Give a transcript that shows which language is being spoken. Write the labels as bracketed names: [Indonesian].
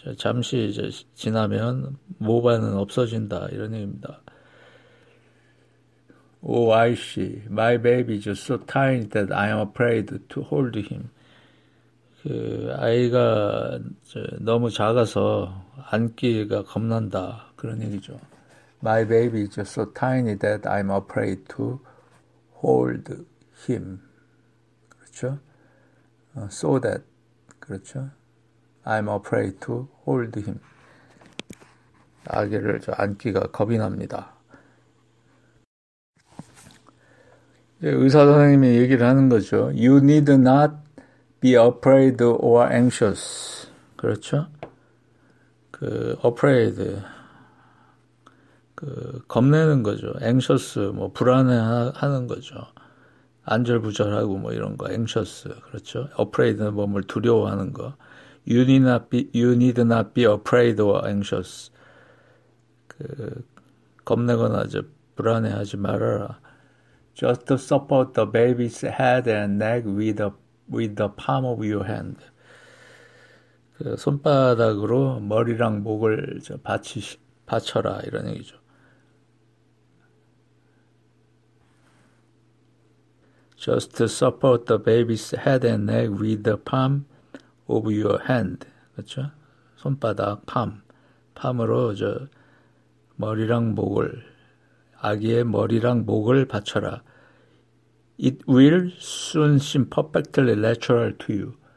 [Korean] 잠시 지나면 모반은 없어진다 이런 얘기입니다. [English] Oh, I see. My baby is so tiny that I am afraid to hold him. [Korean] 아이가 너무 작아서 안기가 겁난다 그런 얘기죠. [English] My baby is just so tiny that I'm afraid to hold him. [Korean] 그렇죠? [English] So that, [Korean] 그렇죠? [English] I'm afraid to hold him. [Korean] 아기를 안기가 겁이 납니다. 이제 의사 선생님이 얘기를 하는 거죠. [English] You need not be afraid or anxious. [Korean] 그렇죠? [English] Afraid. [Korean] 겁내는 거죠. anxious, 불안해하는 거죠. 안절부절하고 이런 거, anxious, 그렇죠? afraid는 뭘 두려워하는 거. [English] You need not be afraid or anxious. [Korean] 겁내거나 불안해하지 말아라. [English] Just support the baby's head and neck with the palm of your hand. [Korean] 손바닥으로 머리랑 목을 받쳐라 이런 얘기죠. [English] 'Just support the baby's head and neck with the palm of your hand.' [Korean] 그렇죠? 손바닥, palm으로 머리랑 목을 아기의 머리랑 목을 받쳐라. [English] 'It will soon seem perfectly natural to you.'